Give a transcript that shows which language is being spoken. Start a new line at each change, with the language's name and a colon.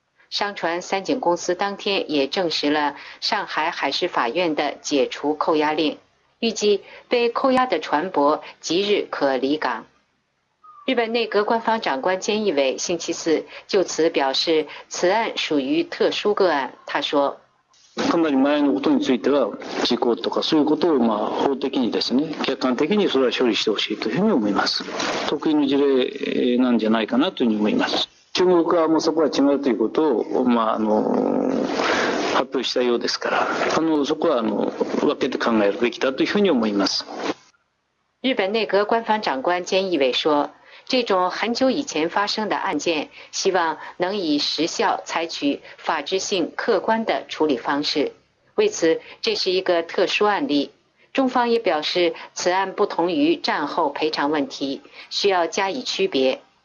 Chinese: 商船三井公司当天也证实了上海海事法院的解除扣押令，预计被扣押的船舶即日可离港。日本内阁官方长官菅义伟星期四就此表示，此案属于特殊个案。他说，
Japanese: かなり前のことについては事故とかそういうことを、まあ、法的にですね、客観的にそれは処理してほしいというふうに思います。特異の事例なんじゃないかなというふうに思います。中国側もそこは違うということを、まあ、発表したようですから、そこは分けて考えるべきだというふうに思います。
Chinese: 日本内閣官房長官菅義伟说，这种很久以前发生的案件，希望能以时效采取法治性客观的处理方式。为此，这是一个特殊案例。中方也表示，此案不同于战后赔偿问题，需要加以区别。